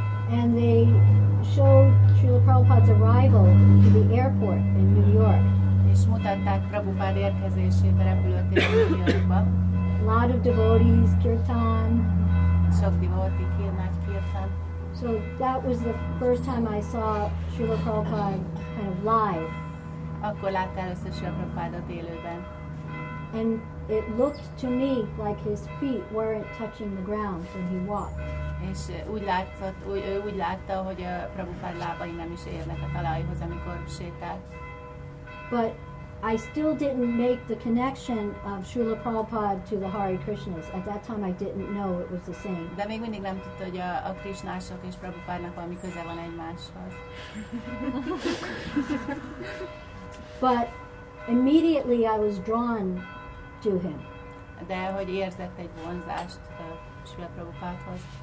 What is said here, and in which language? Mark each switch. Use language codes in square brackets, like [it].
[en] And they showed Srila Prabhupada's arrival to the airport in New York. [hu] És mutatták Prabhupada érkezését a repülőtéren New Yorkba. [en] A lot of devotees, kirtan. [hu] Sok devoti, nagy kirtan. [en] So that was the first time I saw Srila Prabhupada kind of live. [hu] Akkor látta először Srila Prabhupádot élőben. [en] And it looked to me like his feet weren't touching the ground when he walked. [hu] És úgy látta, hogy a Prabhupád lábai nem is érnek a talajhoz, amikor sétált. [en] But I still didn't make the connection of Srila Prabhupada to the Hare Krishnas. At that time I didn't know it was the same. [hu] De még mindig nem tudta, hogy a Krishnások és Prabhupádnak valami köze van egymáshoz. [en] But immediately I was drawn to him. [hu] De hogy érzett egy vonzást Srila Prabhupádhoz.